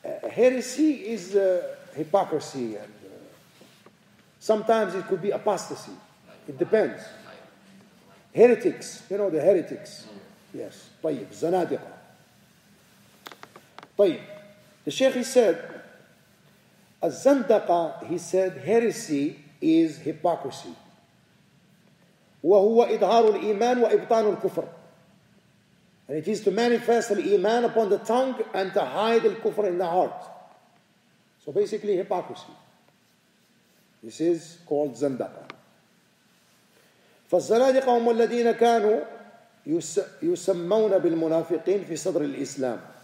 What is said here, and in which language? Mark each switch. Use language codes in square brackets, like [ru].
[en] Heresy is hypocrisy, and sometimes it could be apostasy. It depends. Heretics, you know the heretics. Yes. [ar] طيب, زنادقة. طيب. [en] The Shaykh, he said, الزندقة, he said, heresy is hypocrisy. [ar] وهو إظهار الإيمان وإبطان الكفر. [en] And it is to manifest al-Iman upon the tongue and to hide al-Kufr in the heart. So basically hypocrisy. This is called Zandaqa. [ar] فَالزَّلَادِقَ هُمُ الَّذِينَ كَانُوا يُسَمَّوْنَ بِالْمُنَافِقِينَ فِي صَدْرِ الْإِسْلَامِ.